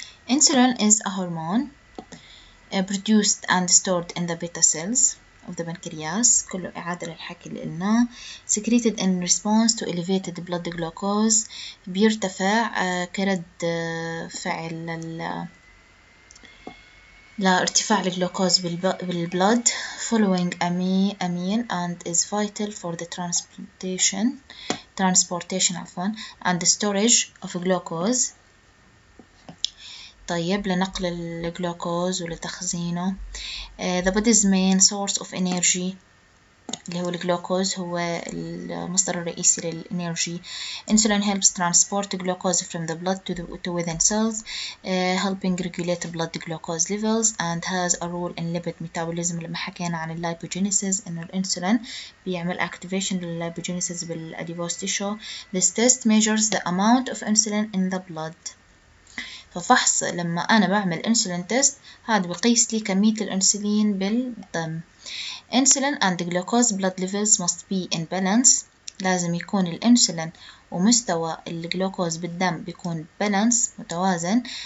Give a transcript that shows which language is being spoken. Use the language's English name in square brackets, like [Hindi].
[English] Insulin is a hormone produced and stored in the beta cells of the pancreas. [Arabic] كله إعادة للحكي اللي قلناه. [English] Secreted in response to elevated blood glucose. [Arabic] بيرتفع كرد فعل لارتفاع الجلوكوز بالبلد. [English] Following amine and is vital for the transportation and the storage of glucose. [Arabic] طيب لنقل الجلوكوز ولتخزينه. [English] The body's main source of energy [Arabic] اللي هو الجلوكوز هو المصدر الرئيسي للإنرجي. [English] Insulin helps transport glucose from the blood to within cells, helping regulate blood glucose levels and has a role in lipid metabolism. [Arabic] لما حكينا عن lipogenesis إنه الإنسولين بيعمل activation lipogenesis بالadipose tissue. [English] This test measures the amount of insulin in the blood. [Arabic] ففحص لما أنا بعمل insulin test هذا بقيس لي كمية الإنسولين بالدم. [English] Insulin and glucose blood levels must be in balance. [Arabic] لازم يكون الإنسولين ومستوى الجلوكوز بالدم بيكون balance متوازن.